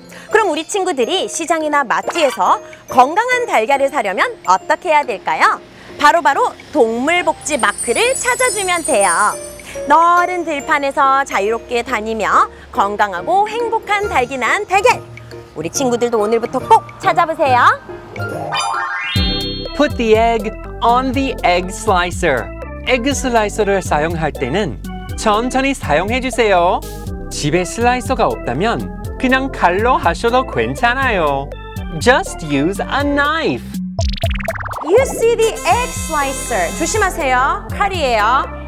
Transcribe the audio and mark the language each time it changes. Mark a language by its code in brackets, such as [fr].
[ko] 그럼 우리 친구들이 시장이나 마트에서 건강한 달걀을 사려면 어떻게 해야 될까요? 바로 동물복지 마크를 찾아주면 돼요. 넓은 들판에서 자유롭게 다니며 건강하고 행복한 달기 난 달걀! 우리 친구들도 오늘부터 꼭 찾아보세요! [en] Put the egg on the egg slicer. [ko] 에그 슬라이서를 사용할 때는 천천히 사용해주세요. 집에 슬라이서가 없다면 그냥 칼로 하셔도 괜찮아요. [en] Just use a knife. You see the egg slicer. [ko] 조심하세요. 칼이에요.